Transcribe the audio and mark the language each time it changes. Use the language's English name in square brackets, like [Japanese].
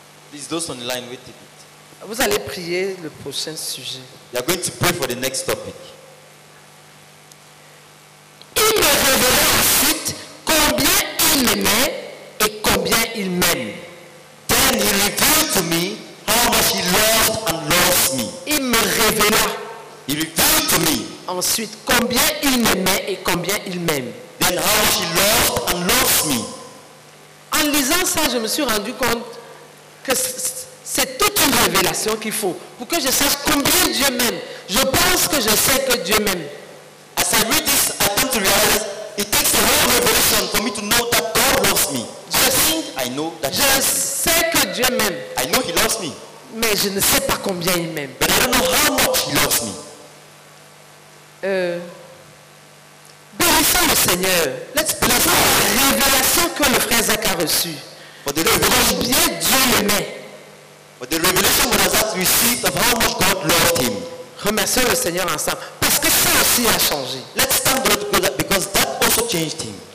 [English] Please, those on the line, wait a bit. [French] Vous allez prier le prochain sujet. [English] You are going to pray for the next topic. [French] Il me révélera ensuite combien il m'aimait et combien il m'aime. [English] Then he revealed to me how much he loved and loves me. [French] Il me révéla. [English] He revealed to me. [French] Ensuite, combien il m'aimait et combien il m'aime. [English] Then how much he loved and loves me. [French] En lisant ça, je me suis rendu compte que c'est toute une révélation qu'il faut pour que je sache combien Dieu m'aime. Je pense que je sais que Dieu m'aime. [English] As I read this, I come to realize it takes a whole revelation for me to know that God loves me. [French] Je sais que Dieu m'aime. [English] I know He loves me. [French] Mais je ne sais pas combien il m'aime. [English] But I don't know how much He loves me. [French] Bénissons le Seigneur. [English] Let's bless God. [French] Révélation que le frère Zach a reçue. Combien Dieu l'aimait. [English] For the revelation that Zach received of how much God loved him. [French] Remercions le Seigneur ensemble parce que ça aussi a changé. [English] Let's thank God because that also changed him.